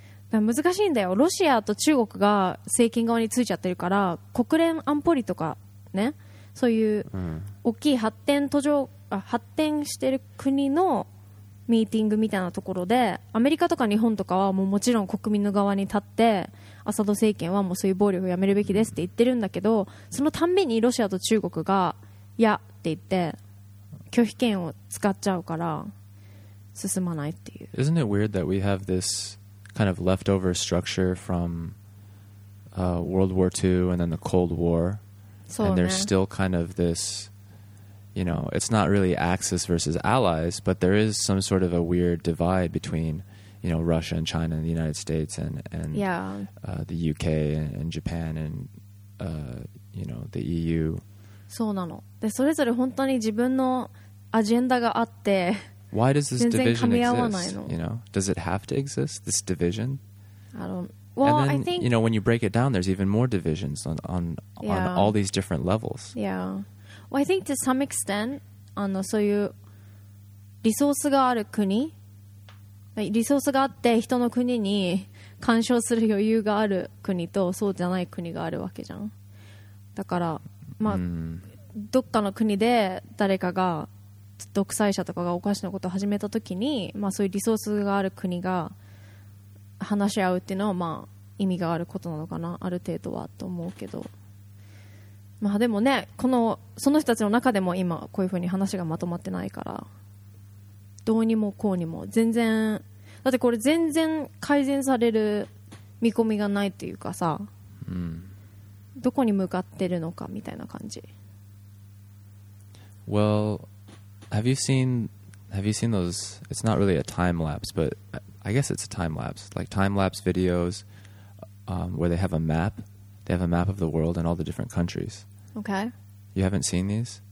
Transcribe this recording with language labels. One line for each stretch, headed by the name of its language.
Japanese: だから難しいんだよ、ロシアと中国が政権側についちゃってるから、国連安保理とかね、そういう大きい発展途上、発展してる国のミーティングみたいなところで、アメリカとか日本とかは もうもちろん国民の側に立って、アサド政権はもうそういう暴力をやめるべきですって言ってるんだけど、そのたんびにロシアと中国がいやって言って拒否権を使っちゃうから進まないっていう。
English: Isn't it weird that we have this kind of leftover structure from World War II and then the Cold War?
Japanese: そうね。
English: And there's still kind of this, you know, it's not really Axis versus Allies, but there is some sort of a weird divide between, you know, Russia and China and the United States and the UK and Japan and, you know, the EU.
Japanese: そうなの。で、それぞれ本当に自分のアジェンダがあって、
English: Why does this division exist? You know, does it have to exist, this division? I don't. Well, then, I think, you know, when you break it down, there's even more divisions on, yeah. on all these different levels. Yeah. Well, I think to some extent,
Japanese: そういうリソースがある国、リソースがあって人の国に干渉する余裕がある国とそうじゃない国があるわけじゃん。だから、まあ、どっかの国で誰かが独裁者とかがおかしなことを始めたときに、まあ、そういうリソースがある国が話し合うっていうのは、まあ、意味があることなのかな、ある程度はと思うけど、まあ、でもね、このその人たちの中でも今こういうふうに話がまとまってないから、どうにもこうにも全然、だってこれ全然改善される見込みがないっていうかさ、どこに向かってるのかみたいな感じ。
English: WellHave you seen those, it's not really a time lapse, but I guess it's a time lapse, like time lapse videos where they have a map. They have a map of the world and all the different countries. Okay. You haven't seen these?